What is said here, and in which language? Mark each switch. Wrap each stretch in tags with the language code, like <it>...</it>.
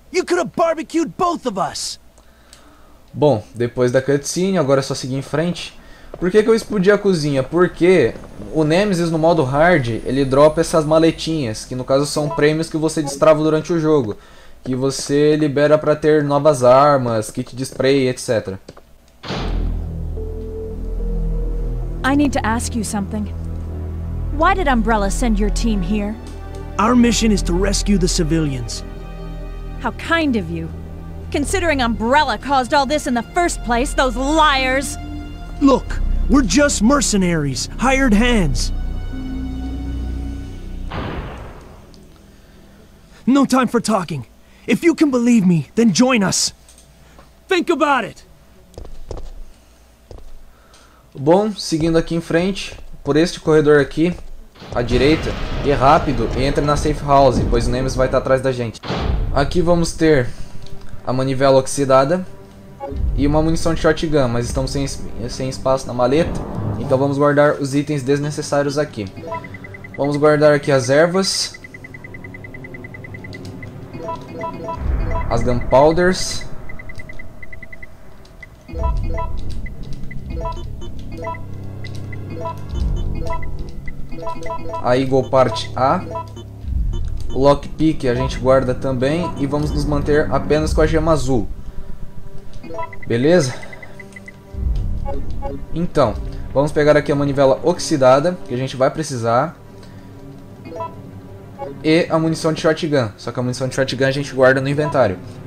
<en>You could have barbecued both of us.</en> <pt>Bom, depois da cutscene, agora é só seguir em frente. Por que que eu explodi a cozinha? Porque o Nemesis no modo hard, ele dropa essas maletinhas, que no caso são prêmios que você destrava durante o jogo, que você libera pra ter novas armas, kit de spray, etc.</pt> <en>I need to ask you something. Why did Umbrella send your team here? Our mission is to rescue the civilians. How kind of you. Considering Umbrella caused all this in the first place, those liars! Look, we're just mercenaries, hired hands. No time for talking. If you can believe me, then join us. Think about it!</en> <pt>Bom, seguindo aqui em frente, por este corredor aqui, à direita, e rápido, e entre na safe house, pois o Nemesis vai estar atrás da gente. Aqui vamos ter a manivela oxidada e uma munição de shotgun, mas estamos sem espaço na maleta, então vamos guardar os itens desnecessários aqui. Vamos guardar aqui as ervas, as gunpowders, a Eagle Part A. O lockpick a gente guarda também e vamos nos manter apenas com a gema azul. Beleza? Então, vamos pegar aqui a manivela oxidada, que a gente vai precisar. E a munição de shotgun, só que a munição de shotgun a gente guarda no inventário.</pt>